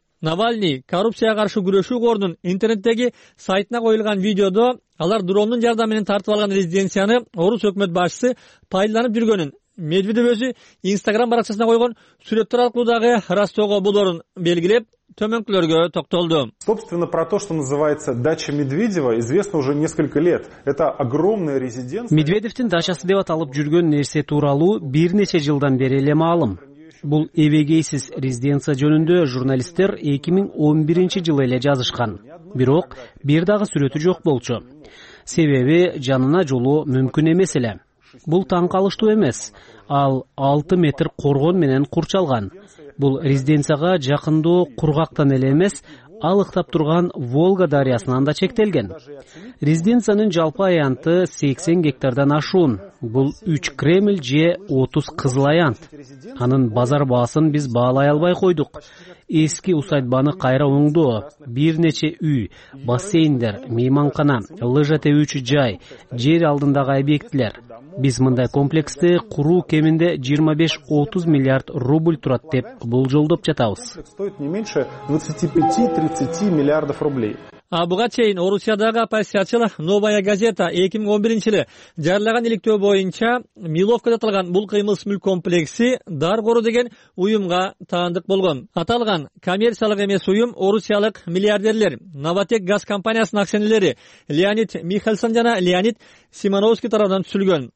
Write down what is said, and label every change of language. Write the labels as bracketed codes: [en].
[ky] Навальный коррупцияга каршы күрөшүү корунун интернеттеги сайтына коюлган видеодо алар дрондун жардамы менен тартып алган резиденцияны орус өкмөт башчысы пайдаланып жүргөнүн Медведев өзү Instagram баракчасына койгон сүрөттөр аркылуу дагы ырастоого болорун белгилеп төмөнкүлөргө токтолду. [ru] Собственно, про то, что называется дача Медведева, известно уже несколько лет. Это огромная резиденция. [ky] Медведевдин дачасы деп аталып жүргөн нерсе тууралуу бир нече жылдан бери эле маалым. Бул эвегейсиз резиденция жөнүндө журналисттер 2011 жылы эле жазышкан. Бирок бир дагы сүрөтү жок болчу. Себеби жанына жолоо мүмкүн эмес эле. Бул таң калыштуу эмес. Ал 6 метр коргон менен курчалган. Бул резиденцияга жакындоо кургактан эле эмес, алыктап турган Волга дарыясынан да чектелген. Резиденциянын жалпы аянты 80 гектардан ашуун. Бул 3 Кремль же 30 кызыл аянт. Анын базар баасын биз баалай албай койдук. Эски усадьбаны кайра оңдоо, бир нече үй, бассейндер, мейманкана, лыжа тебүүчү жай, жер алдындагы объектилер. Биз мындай комплексти куруу кеминде 25-30 миллиард рубль турат деп болжолдоп жатабыз. [ru] Стоит не меньше 25-30 миллиардов рублей. [ky] А буга чейин Орусиядагы оппозициячыл Новая газета 2011 жылы жарылган иликтөө боюнча Миловкада аталган бул кыймылсыз мүлк комплекси Даргору деген уюмга таандык болгон. Аталган коммерциялык эмес уюм орусиялык миллиардерлер Новатек газ компаниясынын акционерлери Леонид Михельсон жана Леонид Симоновский тарабынан түзүлгөн.